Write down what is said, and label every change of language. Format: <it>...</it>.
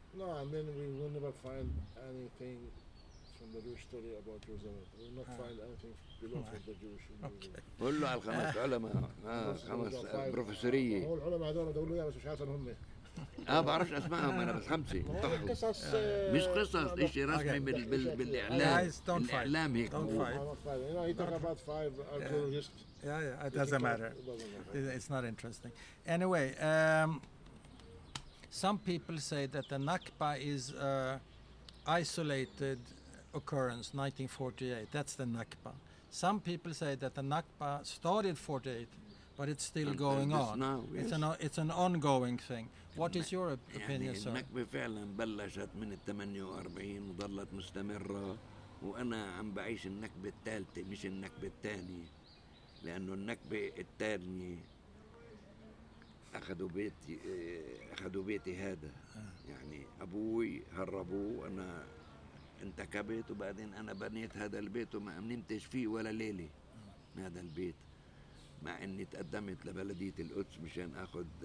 <en>No, I mean we will never find anything from the Jewish story about Jerusalem. We will not find anything below from the Jewish. Okay.</en> <ar>قول له على الخمس علماء خمس بروفيسورية. قول العلماء هذول دول يا بس مش عارف هم. بعرفش اسمائهم انا بس خمسه انطحوا مش قصص شيء رسمي بالاعلام الاعلام هيك</ar> <en>it doesn't matter it's not interesting anyway some people say that the Nakba is a isolated occurrence 1948 that's the Nakba some people say that the Nakba started 48 but it's still and going on now, it's an ongoing thing What is your opinion,</en> <ar>يعني</ar> <en>sir?</en> <ar>النكبة فعلاً بلشت من الثمانية وأربعين وظلت مستمرة وأنا عم بعيش النكبة الثالثة مش النكبة الثانية لأنه النكبة الثانية أخذوا بيتي هذا يعني أبوي هربوه أنا انتكبت وبعدين أنا بنيت هذا البيت وما نمتش فيه ولا ليلة هذا البيت مع أني تقدمت لبلدية القدس مشان أخذ</ar>